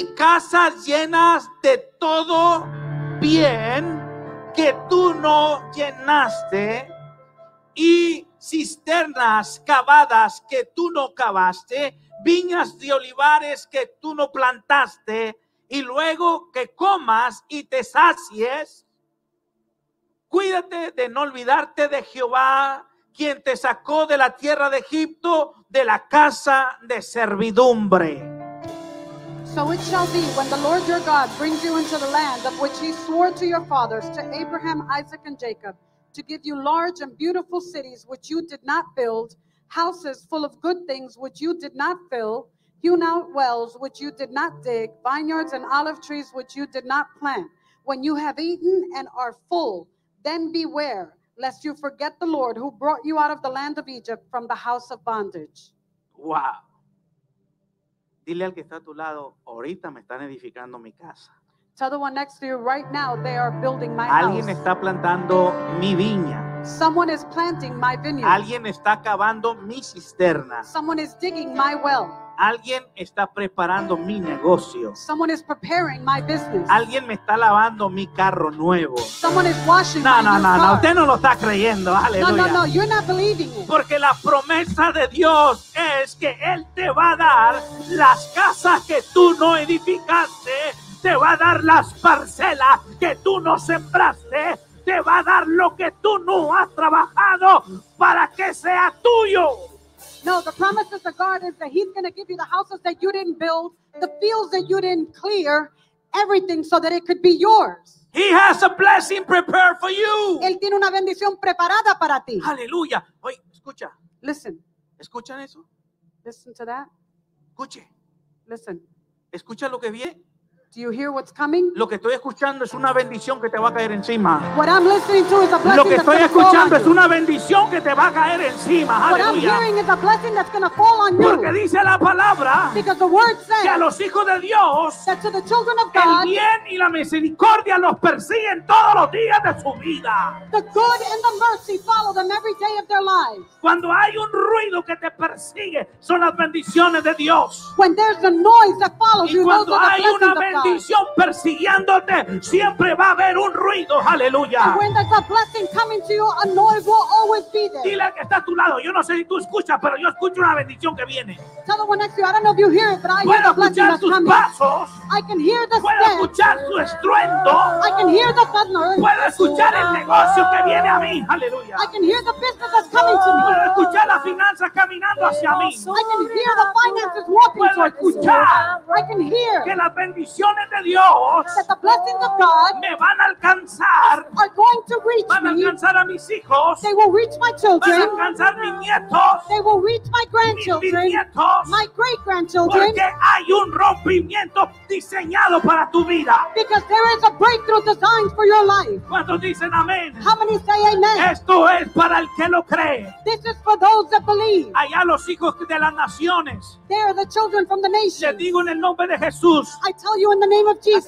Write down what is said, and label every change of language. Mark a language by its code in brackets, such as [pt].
[es] Y casas llenas de todo bien que tú no llenaste, y cisternas cavadas que tú no cavaste, viñas de olivares que tú no plantaste, y luego que comas y te sacies, cuídate de no olvidarte de Jehová, quien te sacó de la tierra de Egipto, de la casa de servidumbre. [en] So it shall be when the Lord your God brings you into the land of which he swore to your fathers, to Abraham, Isaac, and Jacob, to give you large and beautiful cities which you did not build, houses full of good things which you did not fill, hewn out wells which you did not dig, vineyards and olive trees which you did not plant. When you have eaten and are full, then beware lest you forget the Lord who brought you out of the land of Egypt from the house of bondage. Wow. [es] Dile al que está a tu lado, ahorita me están edificando mi casa. [en] Tell the one next to you, right now they are building my house. [es] Alguien está plantando mi viña. [en] Someone is planting my vineyard. [es] Alguien está cavando mi cisterna. [en] Someone is digging my well. [es] Alguien está preparando mi negocio. [en] Someone is preparing my business. [es] Alguien me está lavando mi carro nuevo. [en] Someone is washing my new car. [es] No, usted no lo está creyendo. Aleluya. [en] No, you're not believing it. [es] Porque la promesa de Dios es que Él te va a dar las casas que tú no edificaste, te va a dar las parcelas que tú no sembraste, te va a dar lo que tú no has trabajado para que sea tuyo. [en] No, the promises of God is that he's going to give you the houses that you didn't build, the fields that you didn't clear, everything so that it could be yours. He has a blessing prepared for you. [es] Él tiene una bendición preparada para ti. Aleluya. Oye, escucha. [en] Listen. [es] ¿Escuchan eso? [en] Listen to that. [es] Escuche. [en] Listen. [es] ¿Escucha lo que viene? [en] Do you hear what's coming? [es] Lo que estoy escuchando es una bendición que te va a caer encima. [en] What I'm listening to is a blessing. [es] Lo que estoy escuchando es una bendición que te va a caer encima. [en] What I'm hearing is a blessing that's going to fall on you. [es] Porque dice la palabra. [en] Because the word says. [es] Que a los hijos de Dios. [en] That to the children of God. [es] El bien y la misericordia los persiguen todos los días de su vida. [en] The good and the mercy follow them every day of their lives. [es] Cuando hay un ruido que te persigue, son las bendiciones de Dios. [en] When there's a noise that follows you, those are the blessings of God. [es] Bendición persiguiéndote, siempre va a haber un ruido. Aleluya. [en] When there's a blessing coming to you, a noise will always be there. [es] Dile que está a tu lado. Yo no sé si tú escuchas, pero yo escucho una bendición que viene. [en] Tell the one next to you, I don't know if you hear it, but I hear the blessing that's coming. [es] Puedo escuchar tus pasos. [en] I can hear the steps. [es] Puedo escuchar su estruendo. [en] I can hear the thunder. [es] Puedo escuchar el negocio que viene a mí. Aleluya. [en] I can hear the business that's coming to me. [es] Puedo escuchar las finanzas caminando hacia mí. [en] I can hear the finances walking towards me. [es] Puedo escuchar. [en] I can hear [es] que las bendiciones de Dios, [en] that the blessings of God, [es] me van a alcanzar. [en] Are going to reach me. [es] Van a alcanzar a mis hijos. [en] They will reach my children. [es] Van a alcanzar mis nietos. [en] They will reach my grandchildren. My great grandchildren. [es] Porque hay un rompimiento diseñado para tu vida. [en] Because there is a breakthrough designed for your life. [es] ¿Cuántos dicen amén? [en] How many say amen? [es] Esto es para el que lo cree. [en] This is for those that believe. [es] Allá los hijos de las naciones. [en] They are the children from the nations. [es] Te digo en el nombre de Jesús. [en] I tell you in the name of Jesus.